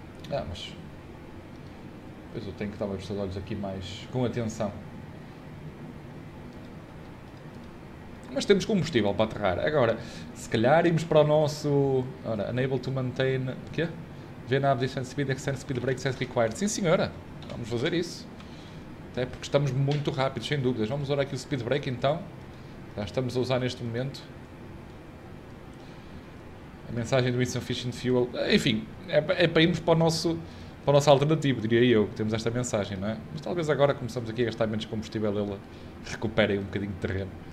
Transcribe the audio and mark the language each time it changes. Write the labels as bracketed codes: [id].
[pt] Ah, mas... Pois eu tenho que estar a ver os seus olhos aqui mais com atenção. Mas temos combustível para aterrar. Agora, se calhar irmos para o nosso... Ora, [en] enable to maintain... [pt] Quê? [en] VNAV descent speed, extend speed brakes as required. [pt] Sim senhora, vamos fazer isso. Até porque estamos muito rápidos, sem dúvidas. Vamos usar aqui o speed brake então. Já estamos a usar neste momento. A mensagem do insufficient fuel... Enfim, é para irmos para o nosso... Para o nosso alternativo, diria eu, que temos esta mensagem, não é? Mas talvez agora começamos aqui a gastar menos combustível, ele recupere um bocadinho de terreno.